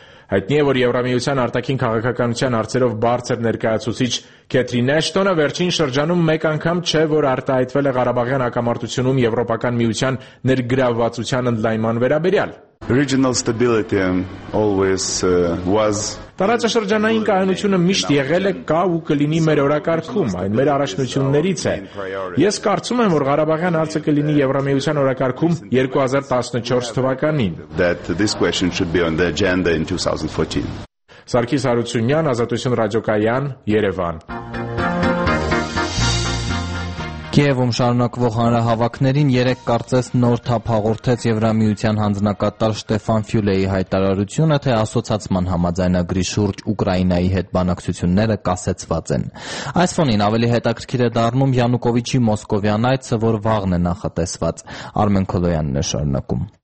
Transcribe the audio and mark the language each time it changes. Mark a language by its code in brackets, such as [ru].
[hy] Հայտնի է, որ Եվրամիության արտաքին քաղաքականության հարցերով բարձր ներկայացուցիչ Քեթրին Աշտոնը վերջին շրջանում մեկ անգամ չէ, որ արտահայտվել է Ղարաբաղյան հակամարտությունում Եվրոպական միության ներգրավվածության ընդլայնման վերաբերյալ. [en] Regional stability always was [hy] Տարածաշրջանային կայունությունը միշտ եղել է կա ու կլինի մեր օրակարգում, այն մեր առաջնություններից է։ Ես կարծում եմ, որ Ղարաբաղյան հարցը կլինի Եվրամիության օրակարգում 2014 թվականին. [en] That this question should be on the agenda in 2014. [hy] Սարգիս Հարությունյան, Ազատություն ռադիոկայան, Երևան։ Կիևում շարունակվող հանրահավաքներին երեք կարծես նոր թափ հաղորդեց Եվրամիության հանձնակատար Ստեֆան Ֆյուլեի հայտարարությունը, թե ասոցացման համաձայնագրի շուրջ Ուկրաինայի հետ բանակցությունները կասեցված են։ Այս ֆոնին ավելի հետաքրքիր է դառնում Յանուկովիչի մոսկովյան այցը, որ վաղն է նախատեսված։ Արմեն Քոլոյանն է շարունակում։